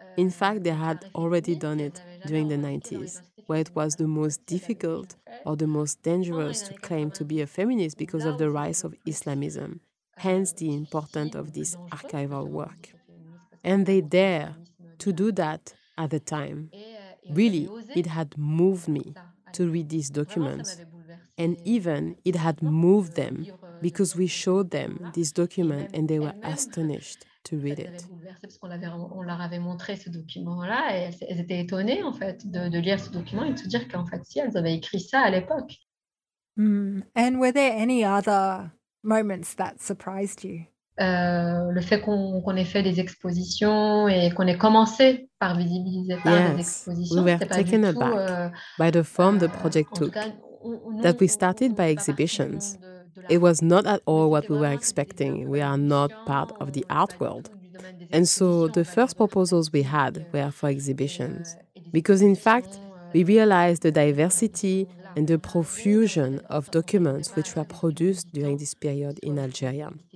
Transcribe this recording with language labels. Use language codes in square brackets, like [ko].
[en] In fact, they had already done it during the 90s, where it was the most difficult or the most dangerous to claim to be a feminist because of the rise of Islamism, hence the importance of this archival work. And they dare to do that at the time. Really, it had moved me to read these documents. And even it had moved them, because we showed them this document and they were astonished. to read it. [fr] On leur avait montré ce document-là et elles étaient étonnées en fait de lire ce document et de se dire qu'en fait si elles avaient écrit ça à l'époque. [en] And were there any other moments that surprised you? [fr] Le fait qu'on ait fait des expositions et qu'on ait commencé par visibiliser par [en] yes, [fr] des expositions, [en] we were taken aback by the form the project took. Cas, that we started by exhibitions. It was not at all what we were expecting. We are not part of the art world. And so the first proposals we had were for exhibitions. Because in fact, we realized the diversity and the profusion of documents which were produced during this period in Algeria.